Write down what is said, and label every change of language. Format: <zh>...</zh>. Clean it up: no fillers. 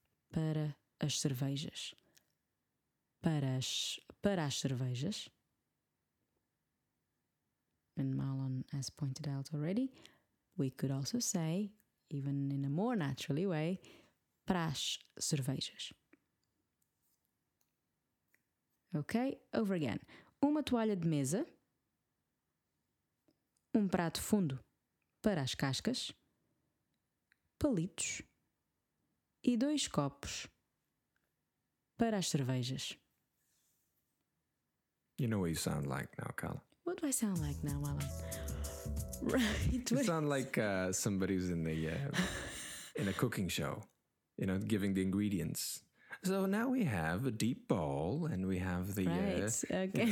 <pt>Para as cervejas. Para as cervejas.</pt> <en>And Marlon has pointed out already, we could also say, even in a more naturally way,</en> <pt>para as cervejas.</pt> <en>Okay, over again.</en> <pt>Uma toalha de mesa, um prato fundo para as cascas, palitos e dois copos para as cervejas.</pt> <en>You know what you sound like now, Carla. What do I sound like now, Alan? Right. You sound like somebody who's in in a cooking show, you know, giving the ingredients. So now we have a deep bowl and we have the... Right, okay.</en>